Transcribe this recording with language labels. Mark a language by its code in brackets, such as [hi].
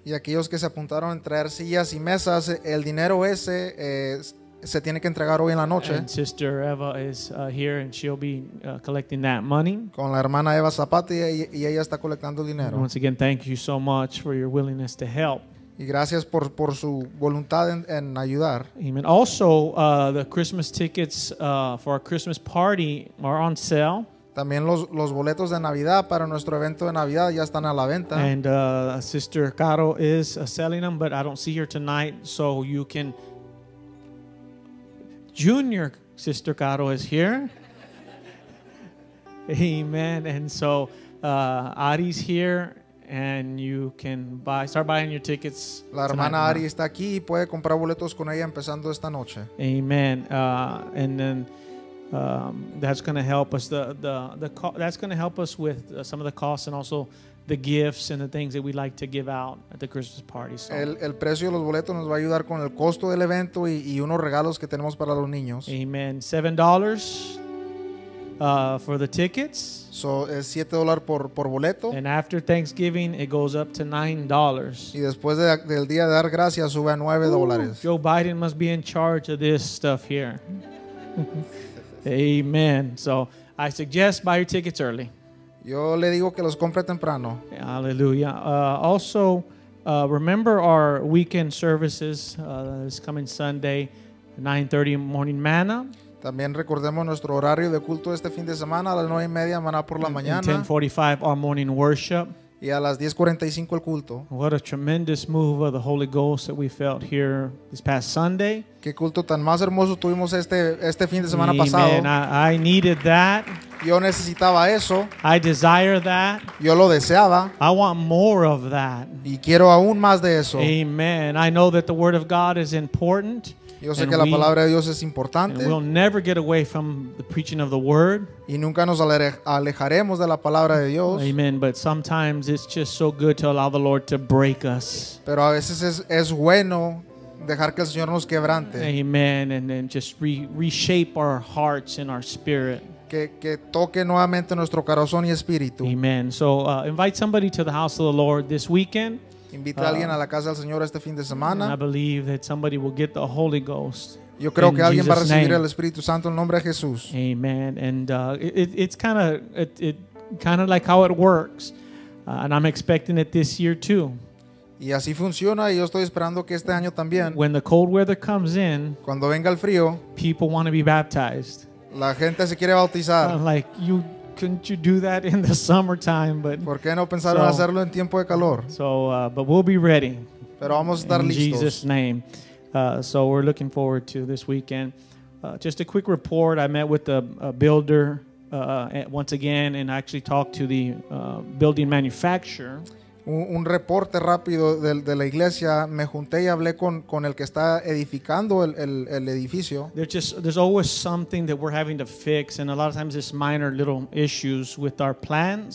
[es] Y aquellos que se apuntaron a traer sillas y mesas, el dinero ese se tiene que entregar hoy en la noche. [en] And Sister Eva is here and she'll be collecting that money. [es] Con la hermana Eva Zapata y ella está colectando dinero. [en] And once again, thank you so much for your willingness to help. [es] Y gracias por su voluntad en ayudar. Amen. [en] Also, the Christmas tickets for our Christmas party are on sale. [es] También los boletos de Navidad para nuestro evento de Navidad ya están a la venta. [en] And Sister Caro is selling them, but I don't see her tonight, so you can. Junior Sister Caro is here. Amen. And so Ari's here. And you can start buying your tickets. [es] La hermana Ari está aquí y puede comprar boletos con ella empezando esta noche. Amen. [en] And then that's going to help us. That's going to help us with some of the costs and also the gifts and the things that we like to give out at the Christmas party. So. [es] El precio de los boletos nos va a ayudar con el costo del evento y unos regalos que tenemos para los niños. [en] Amen. $7. For the tickets. [es] So es $7 por boleto. [en] And after Thanksgiving it goes up to $9. [es] Y después del día de dar gracias sube a $9. [en] Joe Biden must be in charge of this stuff here. Amen. So I suggest buy your tickets early. [es] Yo le digo que los compre temprano. Hallelujah. [en] Also, remember our weekend services this coming Sunday, 9:30 morning manna. [es] También recordemos nuestro horario de culto este fin de semana a las 9 y media maná por la mañana. [en] 10:45 our morning worship. [es] Y a las 10:45 el culto. [en] What a tremendous move of the Holy Ghost that we felt here this past Sunday. [es] Qué culto tan más hermoso tuvimos este fin de semana pasado. [en] Amen. I needed that. [es] Yo necesitaba eso. [en] I desire that. [es] Yo lo deseaba. [en] I want more of that. [es] Y quiero aún más de eso. [en] Amen. I know that the Word of God is important. [es] Yo sé que la palabra de Dios es importante. [en] And we'll never get away from the preaching of the word. [es] Y nunca nos alejaremos de la palabra de Dios. Amen. [en] But sometimes it's just so good to allow the Lord to break us. [es] Pero a veces es bueno dejar que el Señor nos quebrante. [en] Amen. And then just reshape our hearts and our spirit. [es] Que toque nuevamente nuestro corazón y espíritu. Amen. [en] So invite somebody to the house of the Lord this weekend. [es] Invita a alguien a la casa del Señor este fin de semana. [en] I believe that somebody will get the Holy Ghost. [es] Yo creo que alguien va a recibir el Espíritu Santo en el nombre de Jesús. Amen. [en] And it's kind of like how it works. And I'm expecting it this year too. [es] Y así funciona y yo estoy esperando que este año también. [en] When the cold weather comes in, [es] cuando venga el frío, [en] people want to be baptized. [es] La gente se quiere bautizar. [en] I'm like, you couldn't you do that in the summertime? But [es] ¿por qué no pensaron hacerlo en tiempo de calor? [en] So, but we'll be ready. [es] Pero vamos a estar [en] in [es] listos. [en] In Jesus' name. So we're looking forward to this weekend. Just a quick report. I met with the builder once again, and actually talked to the building manufacturer. [es] Un reporte rápido de la iglesia. Me junté y hablé con el que está edificando el edificio. [en] There's always something that we're having to fix, and a lot of times it's minor little issues with our plans.